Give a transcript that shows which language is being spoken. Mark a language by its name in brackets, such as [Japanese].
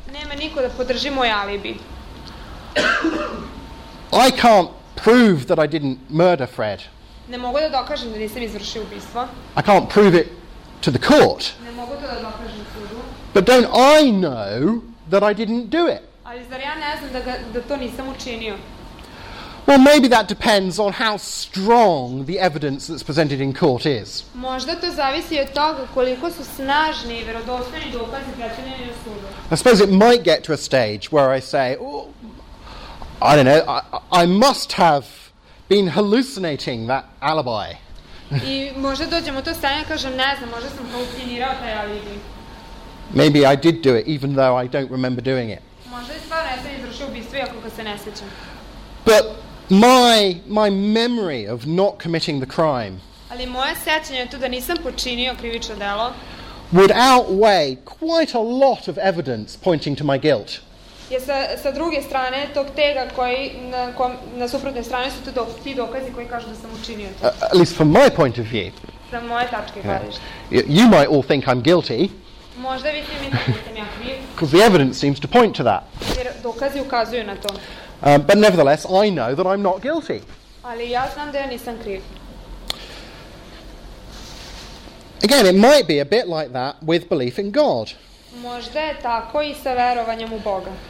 [Serbian] Nema niko da podrži moj alibi. [English] I can't prove that I didn't murder Fred. [Serbian] Ne mogu da dokažem da nisam izvršio ubistvo. [English] I can't prove it to the court. [Serbian] Ne mogu to da dokažem sudu. [English] But don't I know that I didn't do it? [Serbian] Ali zar ja ne znam da to nisam učinio? [English] Well, maybe that depends on how strong the evidence that's presented in court is. [Serbian] Možda to zavisi od toga koliko su snažni I verodostojni dokazi predstavljeni u sudu. [English] I suppose it might get to a stage where I say, oh, I don't know, I must have been hallucinating that alibi. [Serbian] I možda dođemo to stanje I kažem, ne znam, možda sam halucinirao taj alibi. [English] Maybe I did do it, even though I don't remember doing it. [Serbian] Možda I stvarno jesam izvršio ubistvo, iako ga se ne sećam. [English] But my memory of not committing the crime [Serbian] ali moje sećanje to da nisam počinio krivično delo [English] would outweigh quite a lot of evidence pointing to my guilt. [Serbian] Je sa druge strane tog tega koji na suprotnoj strani su ti dokazi koji kažu da sam učinio to. [English] At least from my point of view. [Serbian] Sa moje tačke gledišta. [English] You might all think I'm guilty. [Serbian] Možda vi svi mislite da sam ja kriv. [English] Because the evidence seems to point to that. [Serbian] Jer dokazi ukazuju na to. [English] But nevertheless, I know that I'm not guilty. [Serbian] Ali ja znam da ja nisam kriv. [English] Again, it might be a bit like that with belief in God. [Serbian] Možda je tako I sa verovanjem u Boga.